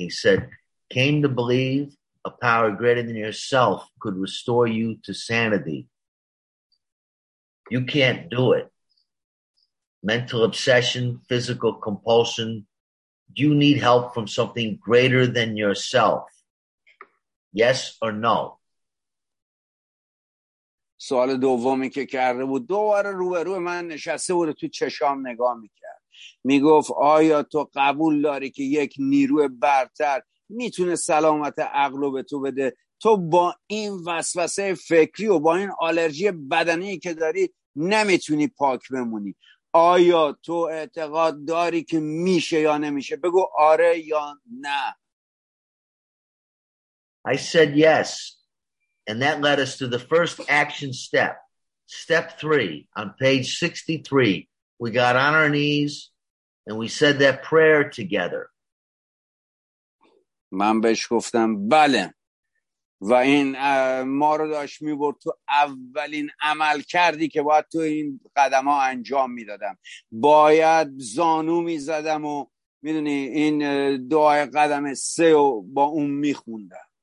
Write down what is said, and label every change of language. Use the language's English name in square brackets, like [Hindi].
[English] He said, came to believe a power greater than yourself could restore you to sanity. You can't do it. Mental obsession, physical compulsion. Do you need help from something greater than yourself? Yes or no? [Persian] سوال دومی که کرده بود دوباره روبروی من نشسته بود تو چشام نگاه میکرد میگفت آیا تو قبول داری که یک نیروی برتر میتونه سلامت عقل رو به تو بده تو با این وسوسه فکری و با این آلرژی بدنی که داری نمیتونی پاک بمونی آیا تو اعتقاد داری که میشه یا نمیشه بگو آره یا نه [English] I said yes And that led us to the first action step. Step three, on page 63, we got on our knees and we said that prayer together. [Persian] من بهش گفتم بله. و این ما رو داشت می برد تو اولین عمل کردی که باید تو این قدم ها انجام می دادم. باید زانو می زدم و می دونی این دعای قدم سه رو با اون می خوندم.